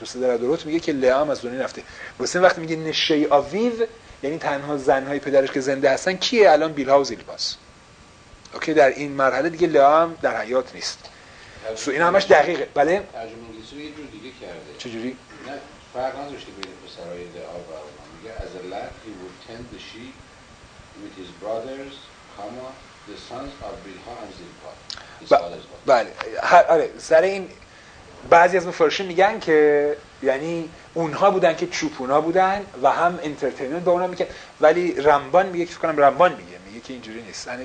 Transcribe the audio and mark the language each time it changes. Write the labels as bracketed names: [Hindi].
[Persian] تو صدر دروت میگه که لعا هم از دنیا رفته. بسیم وقتی میگه نشه آویو، یعنی تنها زنهای پدرش که زنده هستن کیه؟ الان بیلها و زیلپاس. اوکی، در این مرحله دیگه لعا هم در حیات نیست. سو این همش دقیقه. بله؟ ترجمه انگلیسی رو یه جور دیگه کرده. چجوری؟ نه فرق نداشته بین پسرهای لعا و آبرام. میگه از لعا [English] he would tend the sheep with his brothers, the sons of Bilhah and Zilpah's. [Persian] بله، آره، سر این بعضی از مفارشین میگن که یعنی اونها بودن که چوپونا بودن و هم انترتینمنت با اونا میکن، ولی رمبان میگه، فکر کنم رمبان میگه، میگه که اینجوری نیست.